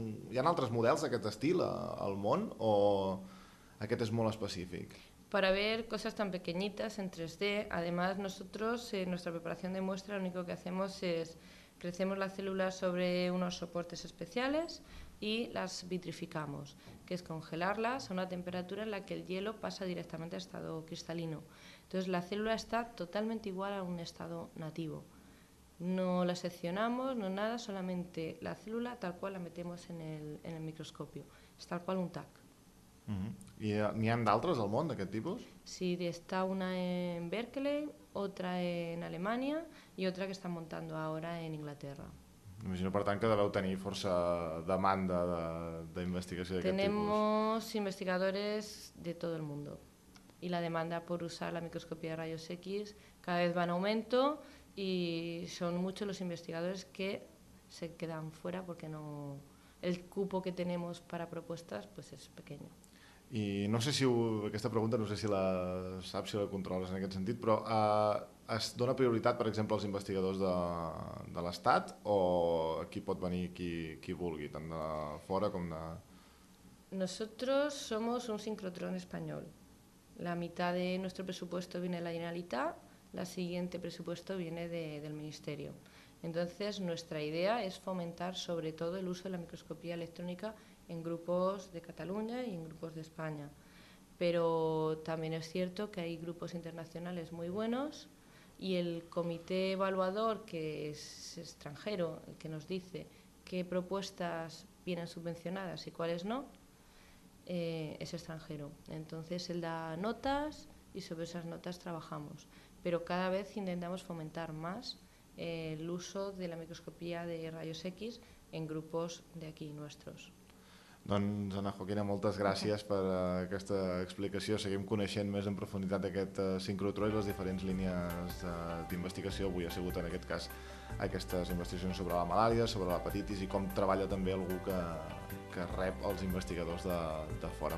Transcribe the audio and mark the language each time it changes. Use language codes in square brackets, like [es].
[ca] Hi ha altres models d'aquest estil al món o... Aquest és molt específic. [es] Para ver cosas tan pequeñitas en 3D, además nosotros en nuestra preparación de muestra lo único que hacemos es crecemos las células sobre unos soportes especiales y las vitrificamos, que es congelarlas a una temperatura en la que el hielo pasa directamente a estado cristalino. Entonces la célula está totalmente igual a un estado nativo. No la seccionamos, no nada, solamente la célula tal cual la metemos en el microscopio. Es tal cual un TAC. [ca] ¿Y ni han d'altres al món d'aquest tipus? [es] Sí, está una en Berkeley, otra en Alemania y otra que están montando ahora en Inglaterra. [ca] Imagino, per tant, que deveu tenir força demanda d'investigació d'aquest tipus. [es] Tenemos investigadores de todo el mundo y la demanda por usar la microscopía de rayos X cada vez va en aumento y son muchos los investigadores que se quedan fuera porque el cupo que tenemos para propuestas pues es pequeño. [ca] I no sé si aquesta pregunta, no sé si la saps, si la controles en aquest sentit, però es dona prioritat, per exemple, als investigadors de l'Estat, o aquí pot venir qui vulgui, tant de fora com de... [es] Nosotros somos un sincrotrón español. La mitad de nuestro presupuesto viene de la Generalitat, la siguiente presupuesto viene del Ministerio. Entonces, nuestra idea es fomentar sobre todo el uso de la microscopía electrónica en grupos de Cataluña y en grupos de España. Pero también es cierto que hay grupos internacionales muy buenos y el comité evaluador, que es extranjero, el que nos dice qué propuestas vienen subvencionadas y cuáles no, es extranjero. Entonces él da notas y sobre esas notas trabajamos. Pero cada vez intentamos fomentar más el uso de la microscopía de rayos X en grupos de aquí nuestros. [ca] Doncs, Anna Joaquina, moltes gràcies per aquesta explicació. Seguim coneixent més en profunditat aquest sincrotró i les diferents línies d'investigació. Avui ha sigut, en aquest cas, aquestes investigacions sobre la malària, sobre l'hepatitis i com treballa també algú que rep els investigadors de fora.